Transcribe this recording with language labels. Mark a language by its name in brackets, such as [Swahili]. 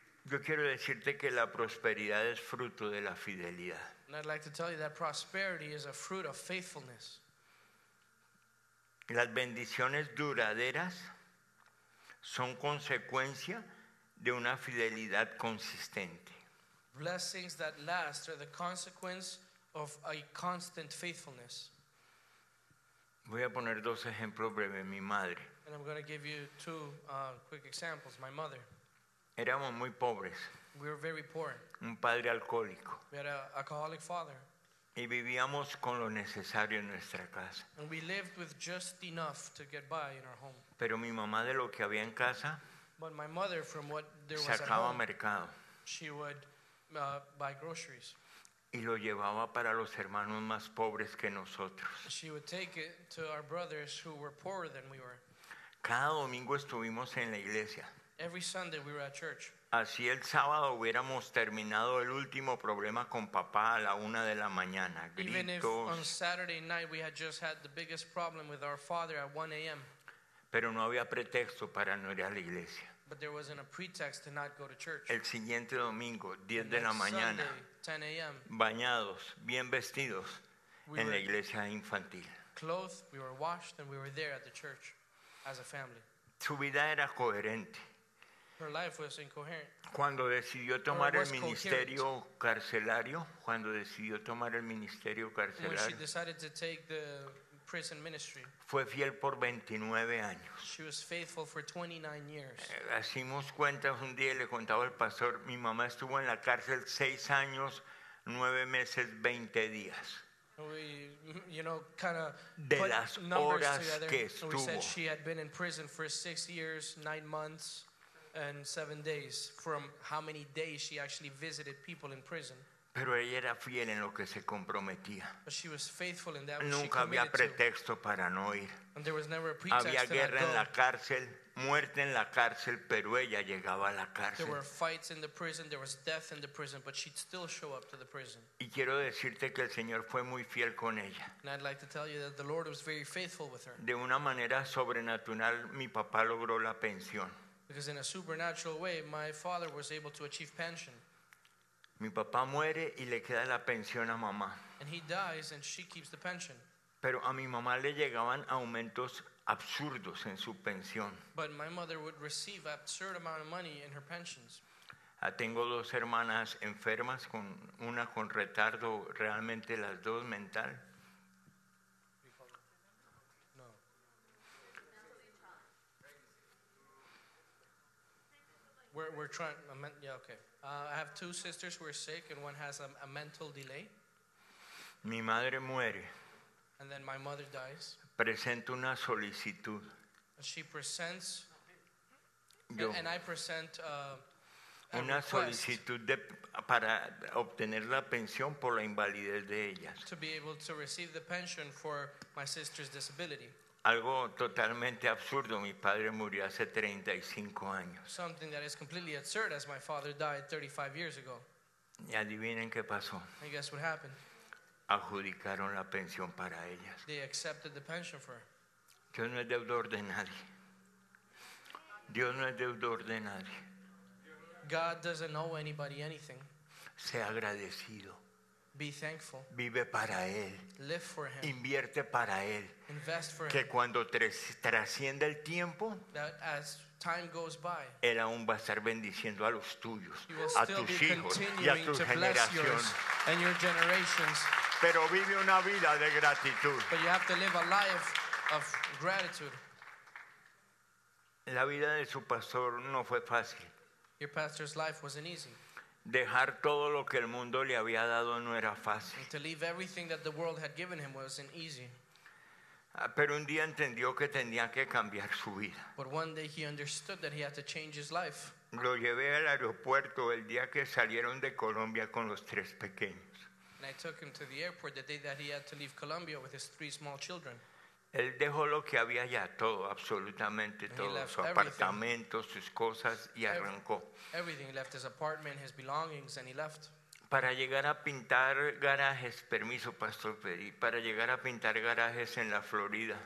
[Spanish] Yo quiero decirte que la prosperidad es fruto de la fidelidad. [English] And I'd like to tell you that prosperity is a fruit of faithfulness. [Spanish] Las bendiciones duraderas son consecuencia de una fidelidad consistente. [English] Blessings that last are the consequence of a constant faithfulness. [Spanish] Voy a poner dos ejemplos breves. Mi madre. [English] And I'm going to give you two quick examples. My mother. [Spanish] Éramos muy pobres. [English] We were very poor. [Spanish] Un padre alcohólico. [English] We had an alcoholic father. [Spanish] Y vivíamos con lo necesario en nuestra casa. [English] And we lived with just enough to get by in our home. [Spanish] Pero mi mamá de lo que había en casa, [English] but my mother, from what there was [Spanish] sacaba [English] at home, [Spanish] mercado. [English] She would buy groceries. [Spanish] Y lo llevaba para los hermanos más pobres que nosotros. [English] She would take it to our brothers who were poorer than we were. [Spanish] Cada domingo estuvimos en la iglesia. [English] Every Sunday we were at church. [Spanish] Así el sábado hubiéramos terminado el último problema con papá a la una de la mañana. Gritos. [English] Even if on Saturday night we had just had the biggest problem with our father at 1 a.m. [Spanish] Pero no había pretexto para no ir a la iglesia. [English] But there wasn't a pretext to not go to church. [Spanish] El siguiente domingo, 10 de la mañana. [English] Sunday, 10 a.m. [Spanish] Bañados, bien vestidos, en la iglesia infantil. [English] Clothed, we were washed, and we were there at the church as a family. [Spanish] Su vida era coherente. [English] Her life was incoherent. [Spanish] Cuando decidió tomar el ministerio carcelario, cuando decidió tomar el ministerio carcelario, [English] when she decided to take the prison ministry, [Spanish] fue fiel por 29 años. [English] She was faithful for 29 years. [Spanish] Hacimos cuentas un día y le contaba al pastor, mi mamá estuvo en la cárcel 6 años, 9 meses, 20 días. [English] We, you know, kind of [Spanish] de [English] put [Spanish] las [English] numbers [Spanish] horas [English] together. [Spanish] Que estuvo. [English] We said she had been in prison for 6 years, 9 months, and 7 days, from how many days she actually visited people in prison. [Spanish] Pero ella era fiel en lo que se comprometía. [English] But she was faithful in that. [Spanish] Nunca había pretexto para no ir. [English] And there was never a pretext. [Spanish] Había guerra en la cárcel, muerte en la cárcel, pero ella llegaba a la cárcel. [English] There were fights in the prison, there was death in the prison, but she'd still show up to the prison. [Spanish] Y quiero decirte que el Señor fue muy fiel con ella. [English] And I'd like to tell you that the Lord was very faithful with her. [Spanish] De una manera sobrenatural, mi papá logró la pensión. [English] Because in a supernatural way, my father was able to achieve pension. [Spanish] Mi papá muere y le queda la pensión a mamá. [English] And he dies and she keeps the pension. [Spanish] Pero a mi mamá le llegaban aumentos absurdos en su pensión. [English] But my mother would receive absurd amount of money in her pensions. [Spanish] Tengo dos hermanas enfermas, con una con retardo, realmente las dos mental. [English] We're trying. Yeah, okay. I have two sisters who are sick, and one has a mental delay. [Spanish] Mi madre muere. [English] And then my mother dies. [Spanish] Presento una solicitud. [English] She presents. [Spanish] Yo. [English] And I present. [Spanish] una solicitud de, para obtener la pensión por la invalidez de ella. [English] To be able to receive the pension for my sister's disability. [Spanish] Algo totalmente absurdo. Mi padre murió hace 35 años. [English] Something that is completely absurd, as my father died 35 years ago. [Spanish] ¿Y adivinen qué pasó? [English] I guess what happened. [Spanish] Adjudicaron la pensión para ellas. [English] They accepted the pension for her. [Spanish] Dios no es deudor de nadie. Dios no es deudor de nadie. [English] God doesn't owe anybody anything. [Spanish] Sea agradecido. [English] Be thankful. [Spanish] Vive para él. [English] Live for him. [Spanish] Invierte para él. [English] Invest for [Spanish] que [English] him. [Spanish] Cuando trascienda el tiempo, [English] that as time goes by, [Spanish] él aún va a estar bendiciendo a los tuyos, a tus hijos y a tus generaciones. [English] And your generations. [Spanish] Pero vive una vida de gratitud. [English] But you have to live a life of gratitude. [Spanish] La vida de su pastor no fue fácil. [English] Your pastor's life wasn't easy. [Spanish] Dejar todo lo que el mundo le había dado no era fácil. [English] And to leave everything that the world had given him wasn't easy. [Spanish] Pero un día entendió que tenía que cambiar su vida. [English] But one day he understood that he had to change his life. [Spanish] Lo llevé al aeropuerto el día que salieron de Colombia con los tres pequeños. [English] And I took him to the airport the day that he had to leave Colombia with his three small children. [Spanish] Él dejó lo que había ya, todo, absolutamente todo, su apartamento, sus cosas, y arrancó. [English] Everything. He left his apartment, his belongings, and he left. [Spanish] Para llegar a pintar garajes, permiso, Pastor Pedro, para llegar a pintar garajes en la Florida.